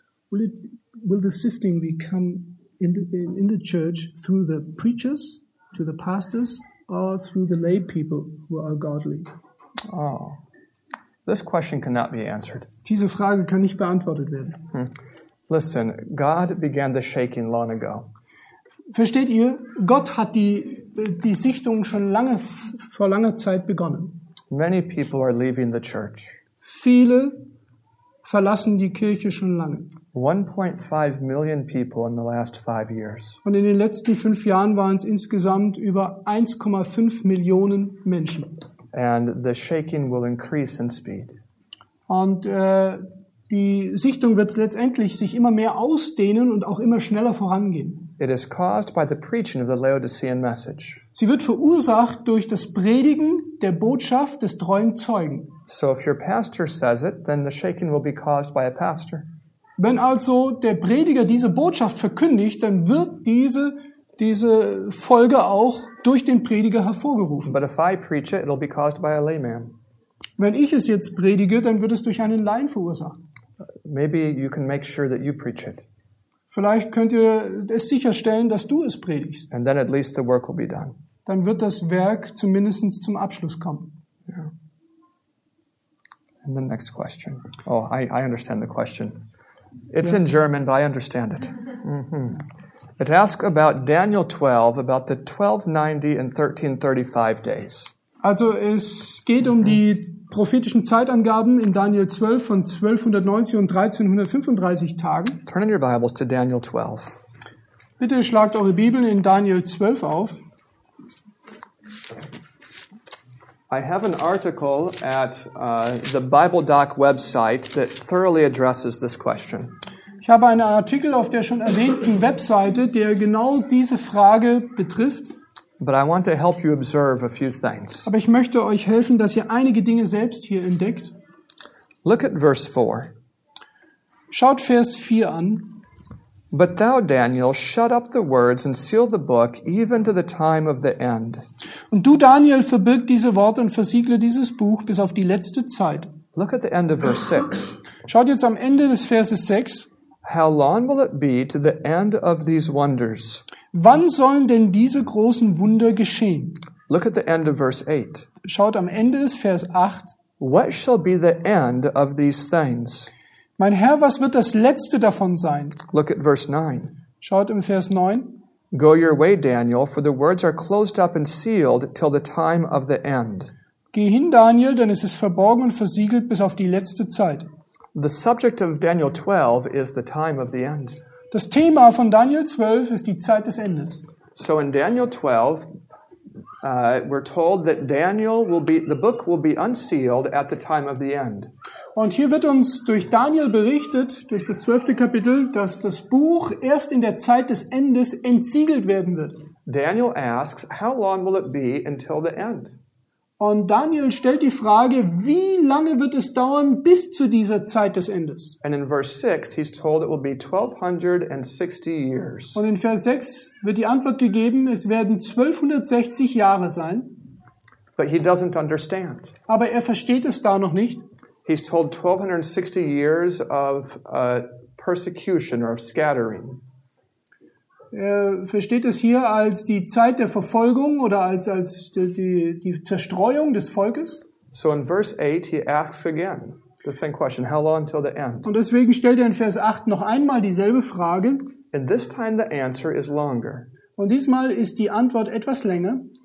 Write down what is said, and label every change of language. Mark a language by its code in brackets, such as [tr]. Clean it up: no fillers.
[en] Will the sifting become in the church through the preachers to the pastors or through the lay people who are godly? Oh, this question cannot be answered. [de] Diese Frage kann nicht beantwortet werden. [en] Listen, God began the shaking long ago. [de] Versteht ihr? Gott hat die Sichtung schon lange vor langer Zeit begonnen. [en] Many people are leaving the church. [de] Viele verlassen die Kirche schon lange. [en] 1.5 million people in the last 5 years. [de] Und in den letzten 5 Jahren waren es insgesamt über 1,5 Millionen Menschen. [en] And the shaking will increase in speed. [de] Und die Sichtung wird letztendlich sich immer mehr ausdehnen und auch immer schneller vorangehen. [en] It is caused by the preaching of the Laodicean message. [de] Sie wird verursacht durch das Predigen der Botschaft des treuen Zeugen. [en] So if your pastor says it, then the shaking will be caused by a pastor. [de] Wenn also der Prediger diese Botschaft verkündigt, dann wird diese Folge auch durch den Prediger hervorgerufen. [en] But if I preach it, it'll be caused by a layman. [de] Wenn ich es jetzt predige, dann wird es durch einen Laien verursacht. [en] Maybe you can make sure that you preach it. [de] Vielleicht könnt ihr es sicherstellen, dass du es predigst. [en] And then at least the work will be done. [de] Dann wird das Werk zumindest zum Abschluss kommen. [en] Yeah. And the next question. Oh, I understand the question. It's in German, but I understand it. Mm-hmm. It asks about Daniel 12, about the 1290 and 1335 days. [de] Also es geht um die prophetischen Zeitangaben in Daniel 12 von 1290 und 1335 Tagen. [en] Turn in your Bibles to Daniel 12. [de] Bitte schlagt eure Bibeln in Daniel 12 auf. [en] I have an article at the Bible Doc website that thoroughly addresses this question. [de] Ich habe einen Artikel auf der schon erwähnten Webseite, der genau diese Frage betrifft. [en] But I want to help you observe a few things. [de] Aber ich möchte euch helfen, dass ihr einige Dinge selbst hier entdeckt. [en] Look at verse 4. [de] Schaut Vers 4 an. [en] But thou, Daniel, shut up the words and seal the book even to the time of the end. [de] Und du, Daniel, verbirg diese Worte und versiegle dieses Buch bis auf die letzte Zeit. [en] Look at the end of verse 6. [de] Schaut jetzt am Ende des Verses 6. [en] How long will it be to the end of these wonders? [de] Wann sollen denn diese großen Wunder geschehen? [en] Look at the end of verse 8. [de] Schaut am Ende des Vers 8. [en] What shall be the end of these things? [de] Mein Herr, was wird das Letzte davon sein? [en] Look at verse 9. [de] Schaut im Vers 9. [en] Go your way, Daniel, for the words are closed up and sealed till the time of the end. [de] Geh hin, Daniel, denn es ist verborgen und versiegelt bis auf die letzte Zeit. [en] The subject of Daniel 12 is the time of the end. [de] Das Thema von Daniel 12 ist die Zeit des Endes. [en] So in Daniel 12 we're told that Daniel will be the book will be unsealed at the time of the end. [de] Und hier wird uns durch Daniel berichtet, durch das 12. Kapitel, dass das Buch erst in der Zeit des Endes entsiegelt werden wird. [en] Daniel asks, how long will it be until the end? [de] Und Daniel stellt die Frage, wie lange wird es dauern bis zu dieser Zeit des Endes? [en] And in verse 6 he's told it will be 1260 years. [de] Und in Vers 6 wird die Antwort gegeben, es werden 1260 Jahre sein. [en] But he doesn't understand. [de] Aber er versteht es da noch nicht. [en] He's told 1260 years of persecution or of scattering. [de] Er versteht es hier als die Zeit der Verfolgung oder als die Zerstreuung des Volkes. [en] So in verse 8 he asks again the same question, how long till the end? [de] Und deswegen stellt er in Vers 8 noch einmal dieselbe Frage. [en] And this time the answer is longer. [de] Und diesmal ist die Antwort etwas länger.